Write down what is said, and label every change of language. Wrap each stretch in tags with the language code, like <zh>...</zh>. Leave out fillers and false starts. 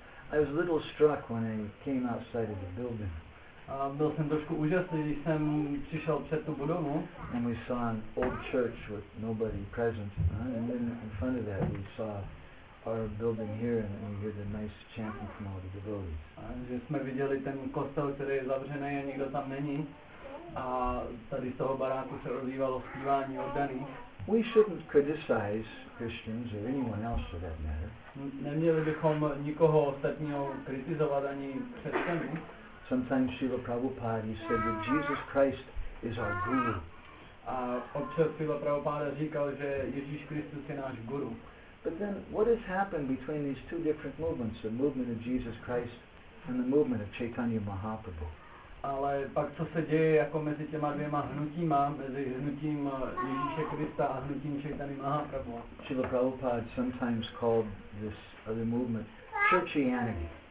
<en>I was a little struck when I came outside of the building.</en> <cs>Byl jsem trošku úžasný, když jsem přišel před tu budovu.</cs> <en>And we saw an old church with nobody present, and then in front of that we saw our building here, and we heard the nice chanting from all the devotees.</en> <cs>Že jsme viděli ten kostel, který je zavřený a nikdo tam není, a tady z toho baráku se rozlívalo zpívání oddaných.</cs> <en>We shouldn't criticize Christians or anyone else for that matter.</en> <cs>Neměli bychom nikoho ostatního kritizovat ani křesťany.</cs> <en>Sometimes Srila Prabhupada said that Jesus Christ is our guru.</en> <cs>Občas Srila Prabhupada říkal, že Ježíš Kristus je náš guru.</cs> <en>But then, what has happened between these two different movements, the movement of Jesus Christ and the movement of Chaitanya Mahaprabhu?</en> <cs>ale pak co se děje jako mezi těma dvěma hnutíma, mezi hnutím Ježíše Krista a hnutím Čaitany Mahaprabhu.</cs> <en>Srila Prabhupada sometimes called this other movement churchianity.</en>